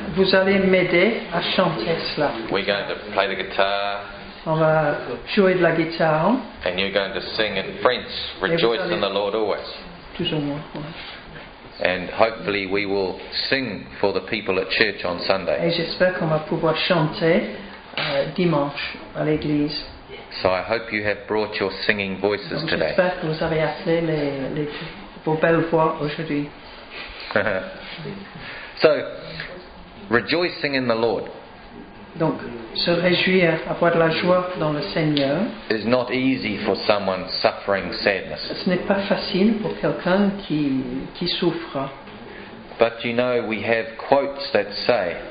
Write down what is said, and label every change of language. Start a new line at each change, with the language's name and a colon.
French: Vous allez m'aider à chanter cela.
English: We're going to play the guitar.
French: On va jouer de la guitare.
English: And you're going to sing in French, rejoice in the Lord always.
French: Toujours moi.
English: And hopefully we will sing for the people at church on Sunday.
French: Et j'espère qu'on va pouvoir chanter dimanche à l'église.
English: So I hope you have brought your singing voices
French: donc
English: today.
French: J'espère que vous avez appelé vos belles voix aujourd'hui.
English: So, rejoicing in the Lord.
French: Donc, se réjouir, avoir de la joie dans le Seigneur.
English: Is not easy for someone suffering sadness.
French: Ce n'est pas facile pour quelqu'un qui souffre.
English: But you know, we have quotes that say.